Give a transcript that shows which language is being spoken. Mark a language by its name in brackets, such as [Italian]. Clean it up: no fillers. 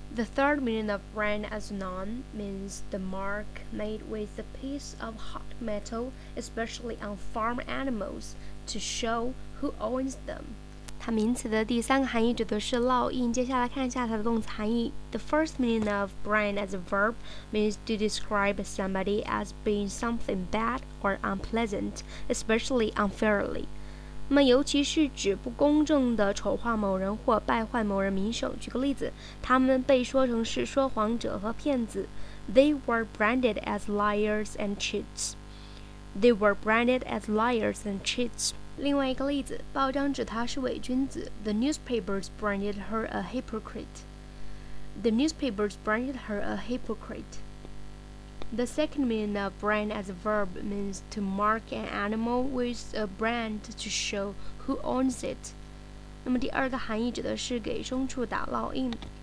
[English] The third meaning of brand as noun means the mark made with a piece of hot metal, especially on farm animals, to show who owns them. [Chinese] 它名词的第三个含义指的是烙印。接下来看一下它的动词含义。 [English] The first meaning of brand as a verb means to describe somebody as being something bad or unpleasant, especially unfairly. [Chinese] 那么尤其是指不公正的丑化某人或败坏某人名声。举个例子，他们被说成是说谎者和骗子。 [English] They were branded as liars and cheats. They were branded as liars and cheats. [Chinese] 另外一个例子，报章指他是伪君子。 [English] The newspapers branded her a hypocrite. The newspapers branded her a hypocrite. The second meaning of brand as a verb means to mark an animal with a brand to show who owns it. [Chinese] 那么第二个含义指的是给牲畜打烙印。